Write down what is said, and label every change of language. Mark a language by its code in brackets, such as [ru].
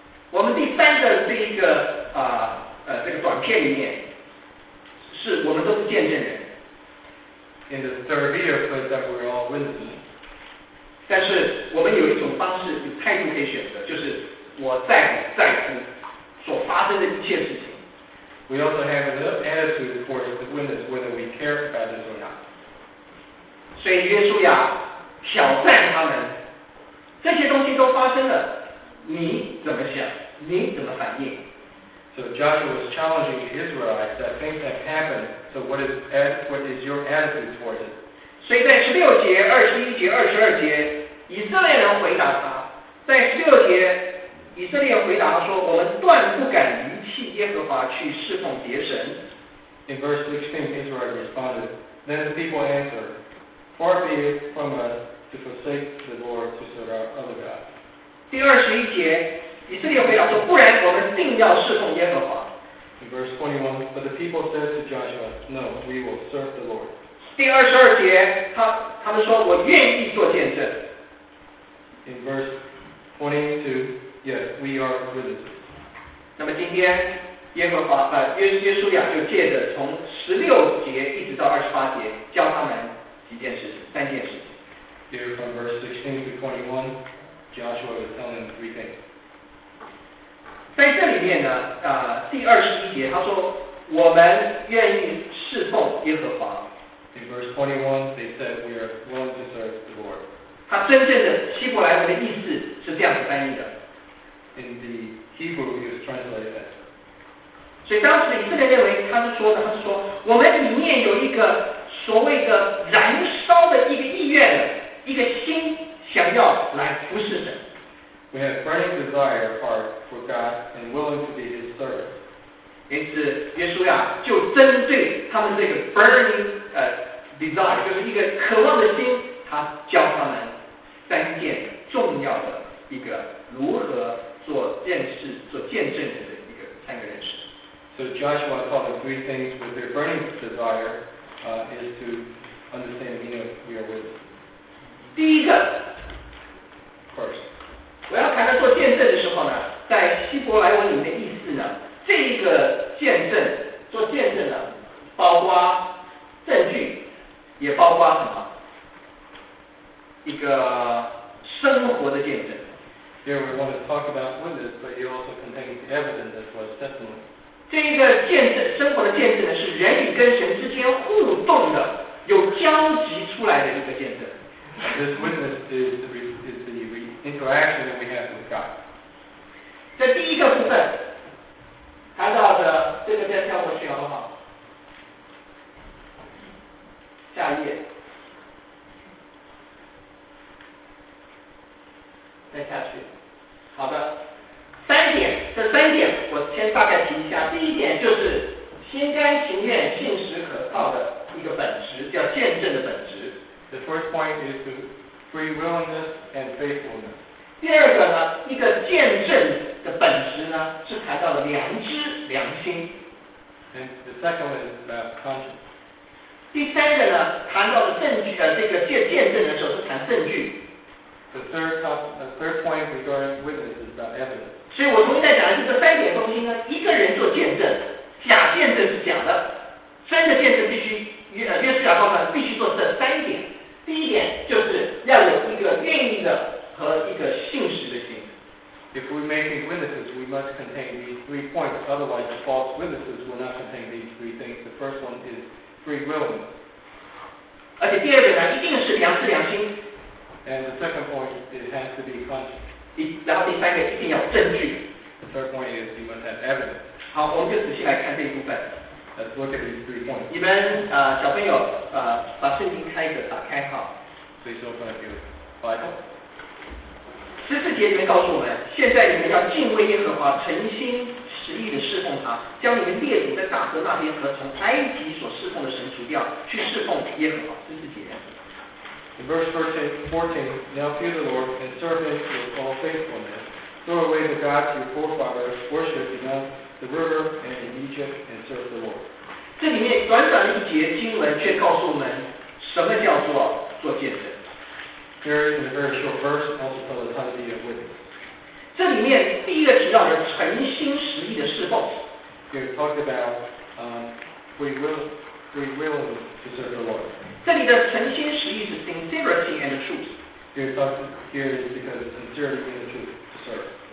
[zh] 我们第三个这一个这个短片里面，是我们都是见证人。 [en] In the third year, but that we're all witnesses. [zh] 但是我们有一种方式，有态度可以选择，就是我在乎所发生的一切事情。 [en] We also have an attitude towards the witness, whether we care about this or not. [zh] 所以约书亚挑战他们，这些东西都发生了，你怎么想？你怎么反应 [en] ？So Joshua was challenging the Israelites that things have happened. So what is your attitude towards it? [zh] 所以在十六节、二十一节、二十二节，以色列人回答他，在十六节，以色列回答他说：“我们断不敢离弃耶和华去侍奉别神。 [en] ”In verse 16, Israel responded, "Then the people answered." Far be it from us to forsake the Lord to serve our other gods. [zh] 第二十一节，以色列回答说：“不然，我们定要侍奉耶和华。” [en] In verse 21, but the people said to Joshua, "No, we will serve the Lord." [zh] 第二十二节，他们说：“我愿意做见证。” [en] In verse 22, yes, we are witnesses. [zh] 那么今天，耶和华耶稣亚就借着从十六节一直到二十八节教他们几件事情，三件事情。 [en] Here from verse 16 to 21, Joshua is telling them three things. [zh] 在这里面呢，第二十一节他说，我们愿意侍奉耶和华。 [en] In verse 21, they said we are willing to serve the Lord. [zh] 他真正的希伯来文的意思是这样子翻译的。 [en] In the Hebrew, he was translated that. [zh] 所以当时以色列认为他是说的，他是说我们里面有一个所谓的燃烧的一个意愿，一个心想要来服侍神。 [en] We have burning desire of heart for God and willing to be His servant. [zh] 因此，耶稣呀，就针对他们这个 [en] burning desire， [zh] 就是一个渴望的心，他教他们三件重要的一个如何做认识、做见证人的一个三个认识。 [en] So Joshua taught them three things with their burning desire is to understand the meaning of we are with. [zh] 第一个 [en] First. [zh] 我要谈到做见证的时候呢，在希伯来文里面的意思呢，这个见证做见证呢，包括证据，也包括什么？一个生活的见证。 [en] Here we want to talk about witness, but you also contain evidence as well as testimony. [zh] 这一个见证，生活的见证呢，是人与跟神之间互动的，有交集出来的一个见证。 [en] This witness is the interaction that we have with God. [zh] 这第一个部分，谈到的这个再跳过去好不好？下一页，再下去，好的。三点，这三点我先大概提一下。第一点就是心甘情愿、信实可靠的一个本质，叫见证的本质。 [en] The first point is to free willingness and faithfulness. [zh] 第二个呢，一个见证的本质呢，是谈到了良知、良心。 [en] And the second one is about conscience. [zh] 第三个呢，谈到了证据的这个见证的时候是谈证据。 [en] The third point regarding witness is about evidence. [zh] 所以我重新再讲的是这三点东西呢，一个人做见证，假见证是假的，真的见证必须约瑟亚告诉他必须做这三点。第一点就是要有一个愿意的和一个信实的心。 [en] If we're making witnesses, we must contain these three points. Otherwise, the false witnesses will not contain these three things. The first one is free will. [zh] 而且第二个呢，一定是良知良心。 [en] And the second point, it has to be conscience. [zh] 然后第三个一定要证据。 [en] The third point is you must have evidence. [zh] 好，我们就仔细来看这一部分。 [en] Let's look at these three points. [zh] 你们小朋友把圣经开一个打开哈。 [en] Please open up your Bible. [zh] 十四节里面告诉我们，现在你们要敬畏耶和华，诚心实意的侍奉他，将你们列祖在大河那边和从埃及所侍奉的神除掉，去侍奉耶和华。十四节。 [en] In verse 14, now fear the Lord and serve Him with all faithfulness. Throw away the gods your forefathers worshipped beyond the river and in Egypt and serve the Lord. [zh] 这里面短短一节经文却告诉我们什么叫做做见证。 [en] Here in a very short verse, also tells us how to be a witness. [zh] 这里面第一个提到的诚心实意的侍奉。 [en] Here talked about free will to serve the Lord. [zh] 这里的诚心实意是 [en] sincerity and truth. Here is because of sincerity and truth to serve.